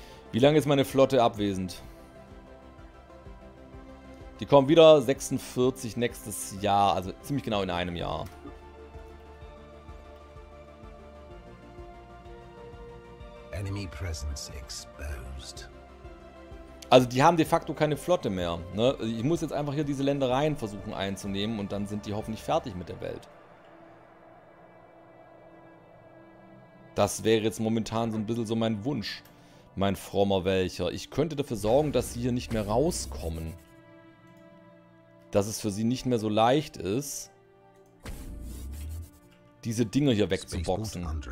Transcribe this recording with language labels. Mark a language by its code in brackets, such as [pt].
[de] Wie lange ist meine Flotte abwesend? Die kommen wieder 46 nächstes Jahr, also ziemlich genau in einem Jahr. [en] Enemy presence exposed. [de] Also die haben de facto keine Flotte mehr. Ne? Ich muss jetzt einfach hier diese Ländereien versuchen einzunehmen und dann sind die hoffentlich fertig mit der Welt. Das wäre jetzt momentan so ein bisschen so mein Wunsch, mein frommer Welcher. Ich könnte dafür sorgen, dass sie hier nicht mehr rauskommen. Dass es für sie nicht mehr so leicht ist, diese Dinge hier wegzuboxen.